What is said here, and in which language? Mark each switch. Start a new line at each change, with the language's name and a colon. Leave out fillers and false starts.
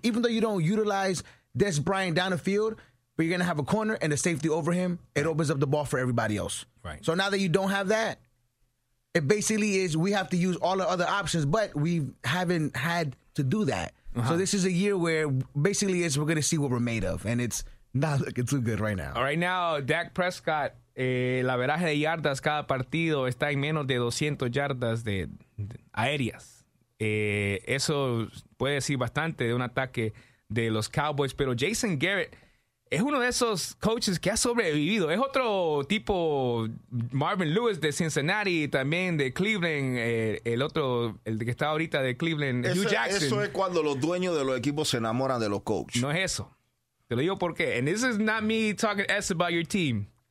English: Even though you don't utilize Dez Bryant down the field, but you're going to have a corner and a safety over him, it opens up the ball for everybody else. Right. So now that you don't have that, it basically is we have to use all the other options, but we haven't had to do that. Uh-huh. So this is a year where basically is we're going to see what we're made of, and it's not looking too good right now. All right now,
Spanish: Dak Prescott, el averaje de yardas cada partido está en menos de 200 yardas de aéreas. Eso puede decir bastante de un ataque de los Cowboys, pero Jason Garrett es uno de esos coaches que ha sobrevivido. Es otro tipo Marvin Lewis de Cincinnati, también de Cleveland, el que está ahorita de Cleveland, Hugh Jackson. Eso es cuando los dueños de los equipos se enamoran de los coaches. No es eso. Te lo digo por qué.
English: And this is not me talking S about your team.